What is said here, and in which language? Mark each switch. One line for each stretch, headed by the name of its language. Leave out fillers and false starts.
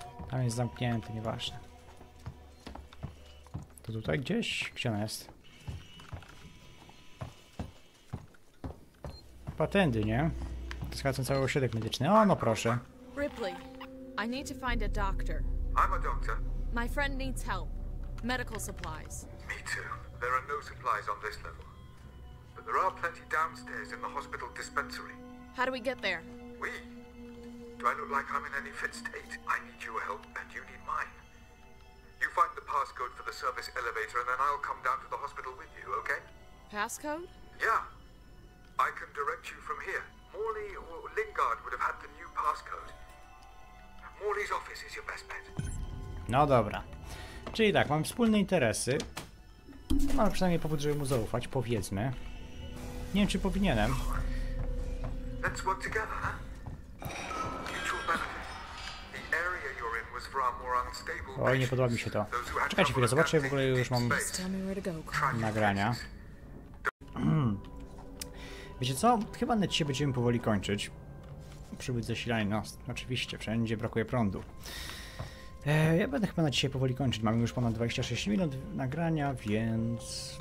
Polish: Tam jest zamknięty, nieważne. To tutaj gdzieś? Gdzie on jest? Patendy, nie? Zgadzam cały ośrodek medyczny. O, no proszę.
English: Ripley, I need to find a doctor. I'm a doctor. My friend needs help. Medical supplies. Me too. There are no supplies on this level. But there are plenty downstairs in the hospital dispensary. How do we get there? We? Do I look like I'm in any fit state? I need your help and you need mine. You find the passcode for the service elevator and then I'll come down to the hospital with you, okay? Passcode? Yeah. I can direct you from here. Morley or Lingard would have had the new passcode. Morley's office is your best bet.
Polish: No dobra. Czyli tak, mam wspólne interesy. Mam przynajmniej powód, żeby mu zaufać, powiedzmy. Nie wiem, czy powinienem.
English: Let's work together, huh? Mutual benefit. The area you're in was for our more unstable patients.
Polish: Oj, nie podoba mi się to. Czekajcie chwilę, zobaczę, w ogóle już mam nagrania. Wiecie co? Chyba na dzisiaj będziemy powoli kończyć. Przybyć zasilanie, no oczywiście, wszędzie brakuje prądu. Ja będę chyba na dzisiaj powoli kończyć, mamy już ponad 26 minut nagrania, więc...